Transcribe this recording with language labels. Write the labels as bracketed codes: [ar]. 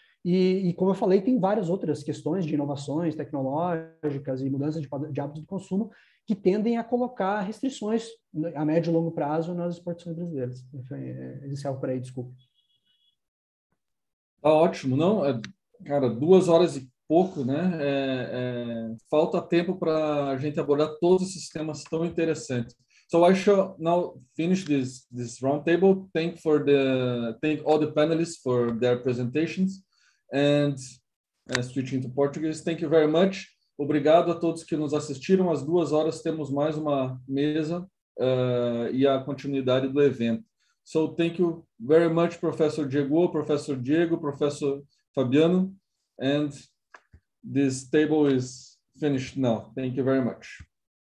[pt] E como eu falei, tem várias outras questões de inovações tecnológicas e mudanças de hábitos de consumo que tendem a colocar restrições a médio e longo prazo nas exportações brasileiras. Inicial por aí, desculpa. Tá ótimo, não? Cara, 2 horas e pouco, né? Falta tempo para a gente abordar todos esses temas tão interessantes. [en] So I shall now finish this roundtable. Thank all the panelists for their presentations, and switching to Portuguese. Thank you very much. [pt] Obrigado a todos que nos assistiram. Às 2 horas temos mais uma mesa e a continuidade do evento. [en] So thank you very much, Professor Diego, Professor Diego, Professor Fabiano, and this table is finished now. Thank you very much.